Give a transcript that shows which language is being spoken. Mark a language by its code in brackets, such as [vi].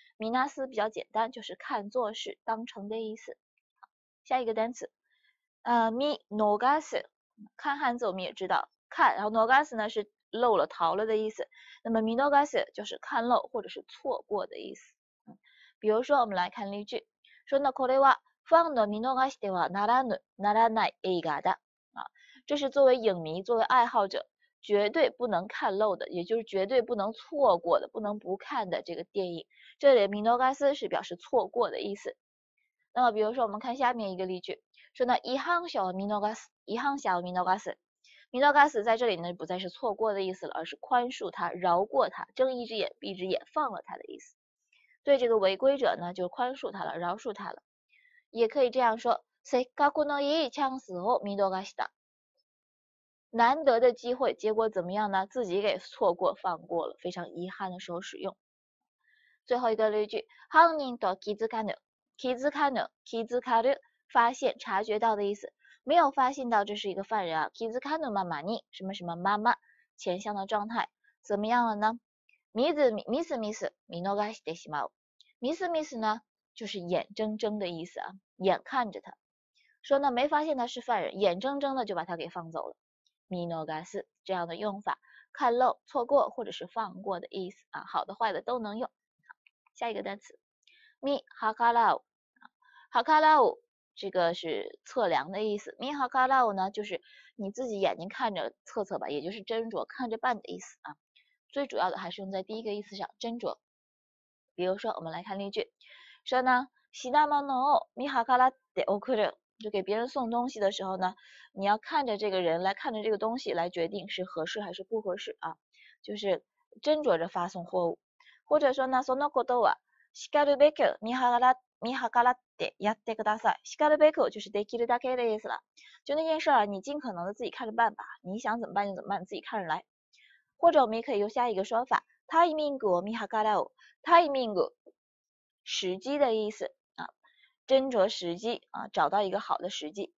[zh] みなす比较简单，就是看作是当成的意思。下一个单词，見逃す，看汉字我们也知道，看，然后逃す呢是漏了、逃了的意思。那么見逃す就是看漏或者是错过的意思。比如说，我们来看例句，说那これは。 [ja] ファンの見逃してはならぬ、ならない映画だ。 [zh] 啊，这是作为影迷、作为爱好者绝对不能看漏的，也就是绝对不能错过的、不能不看的这个电影。这里見逃す是表示错过的意思。那么比如说我们看下面一个例句，说呢 [ja] 遗憾小見逃す、遗憾小見逃す。 [zh] 見逃す在这里呢不再是错过的意思了，而是宽恕他、饶过他、睁一只眼闭一只眼放了他的意思。对这个违规者呢就宽恕他了、饶恕他了。也可以这样说， [ja] せっかくのいいチャンスを見逃した。 [zh] 难得的机会，结果怎么样呢？自己给错过、放过了，非常遗憾的时候使用。最后一个例句， [ja] 犯人と気づかぬ、気づかぬ、気づかぬ， [zh] 发现、察觉到的意思。没有发现到这是一个犯人啊， [ja] 気づかぬままに， [zh] 什么什么妈妈，前向的状态，怎么样了呢？ [ja] みすみす、見逃してしまう。みすみす呢？ [zh] 就是眼睁睁的意思啊，眼看着他，说呢没发现他是犯人，眼睁睁的就把他给放走了。見逃す这样的用法，看漏、错过或者是放过的意思啊，好的坏的都能用。下一个单词，見計らう，計らう这个是测量的意思。見計らう呢，就是你自己眼睛看着测测吧，也就是斟酌、看着办的意思啊。最主要的还是用在第一个意思上，斟酌。比如说，我们来看例句。说呢， [ja] 品物を見計らって送る， [zh] 就给别人送东西的时候呢，你要看着这个人来，看着这个东西来决定是合适还是不合适啊，就是斟酌着发送货物。或者说呢， [ja] そのことはしかるべく見計らってやってください。 [zh] しかるべく就是できるだけ的意思了，就那件事啊，你尽可能的自己看着办吧，你想怎么办就怎么办，自己看着来。或者我们也可以用下一个说法， [ja] タイミングを見計らう， [zh] タイミング。时机的意思啊，斟酌时机啊，找到一个好的时机。